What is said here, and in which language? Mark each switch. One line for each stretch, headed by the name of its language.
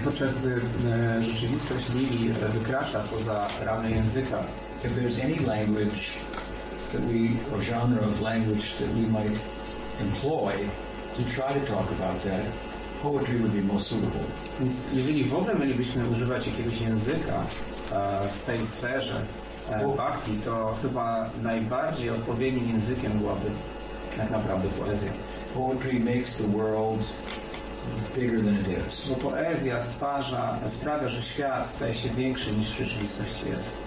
Polish: Podczas gdy rzeczywistość Lili wykracza poza ramy języka.
English: If there's any language that we, or genre of language that we might employ to try to talk about that, poetry would be most suitable.
Polish: Więc jeżeli w ogóle mielibyśmy używać jakiegoś języka w tej sferze bhakti, to chyba najbardziej odpowiednim językiem byłaby tak naprawdę poezja.
English: Poetry makes the world bigger than it is.
Polish: Bo poezja stwarza, sprawia, że świat staje się większy niż w rzeczywistości jest.